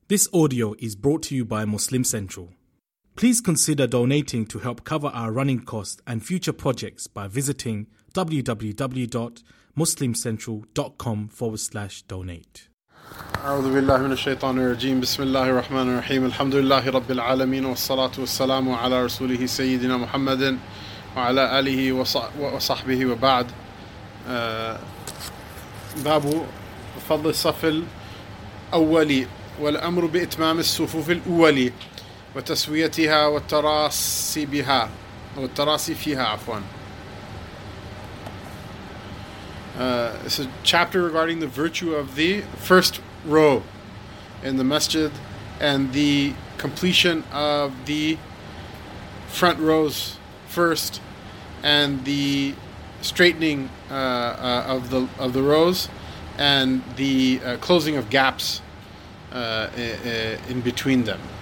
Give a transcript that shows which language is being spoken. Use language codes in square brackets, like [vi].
[en] This audio is brought to you by Muslim Central. Please consider donating to help cover our running costs and future projects by visiting www.muslimcentral.com/donate. [ar] أعوذ بالله من الشيطان الرجيم بسم الله الرحمن الرحيم الحمد لله رب العالمين والصلاة والسلام على رسوله سيدنا محمد وعلى آله وصحبه وبعد باب فضل الصف الأولي والأمر بإتمام الصفوف الأولي وتسويتها والتراصي بها والتراصي فيها عفوا. [en] It's a chapter regarding the virtue of the first row in the masjid and the completion of the front rows first and the straightening of the rows and the closing of gaps in between them.